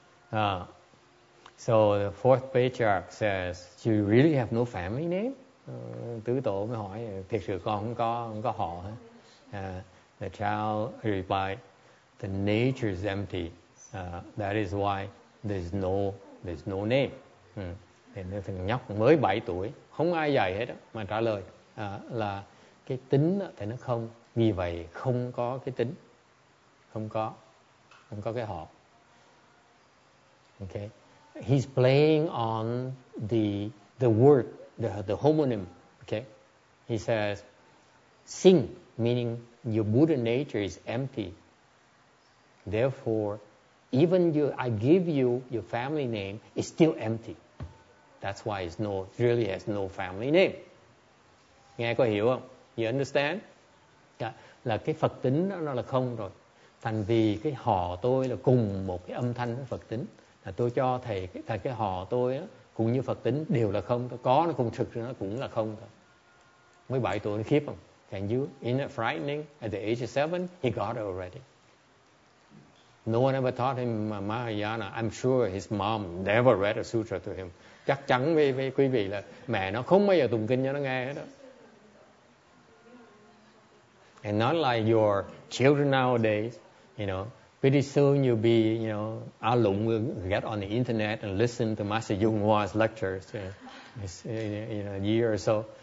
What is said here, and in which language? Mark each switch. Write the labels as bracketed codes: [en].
[en] So the fourth patriarch says, "You really have no family name?" [vi] Tứ tổ mới hỏi, "Thực sự con không có họ?" [en] The child replied, "The nature is empty. That is why there's no name." [vi] Thằng nhóc mới 7 tuổi, không ai dạy hết đó, mà trả lời là cái tính thì nó không, vì vậy không có cái tính, không có cái họ. [en] Okay, he's playing on the word the homonym, okay? He says, sin, meaning your Buddha nature is empty. Therefore, even you, I give you your family name, it's still empty. That's why it's no, really has no family name. [vi] Nghe có hiểu không? [en] You understand? Yeah. [vi] Là cái Phật tính đó nó là không rồi. Thành vì cái họ tôi là cùng một cái âm thanh với Phật tính. Là tôi cho thầy, thầy cái họ tôi đó, cũng như Phật tính đều là không. Có nó không thực, nó cũng là không. Mới 7 tuổi nó khiếp không? [en] Can you? Isn't it frightening? At the age of 7, he got it already. No one ever taught him Mahayana. I'm sure his mom never read a sutra to him. [vi] Chắc chắn với quý vị là mẹ nó không bao giờ tụng kinh cho nó nghe hết đó. [en] And not like your children nowadays, you know. Pretty soon you'll be, you know, A Lung will get on the internet and listen to Master Yung Hwa's lectures, you know, a year or so.